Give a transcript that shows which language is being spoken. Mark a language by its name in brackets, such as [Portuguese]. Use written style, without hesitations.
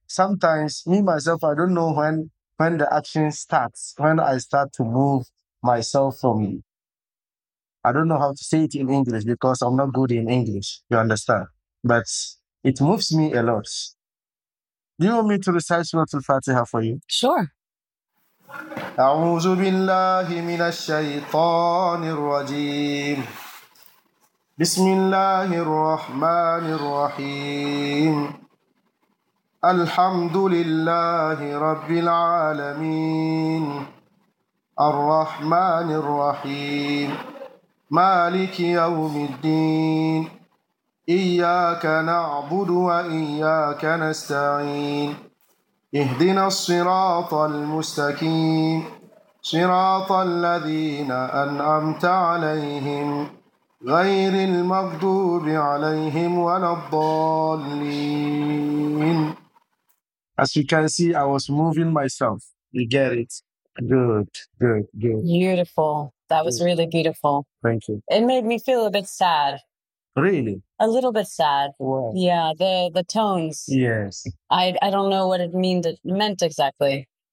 [English] Sometimes me myself, I don't know when the action starts, when I start to move myself from me. I don't know how to say it in English because I'm not good in English. You understand? But it moves me a lot. Do you want me to recite Surah Al-Fatiha for you? Sure. [Arabic] أعوذ بالله من الشيطان الرجيم بسم الله الرحمن الرحيم الحمد لله رب العالمين الرحمن الرحيم مالك يوم الدين إياك نعبد وإياك نستعين اهدنا الصراط المستقيم صراط الذين أنعمت عليهم غير المغضوب عليهم ولا الضالين. [English] As you can see, I was moving myself. You get it? Good, good, good. Beautiful. That was really beautiful. Thank you. It made me feel a bit sad. Really? A little bit sad. Wow. Yeah, the tones. Yes. I don't know what it meant exactly.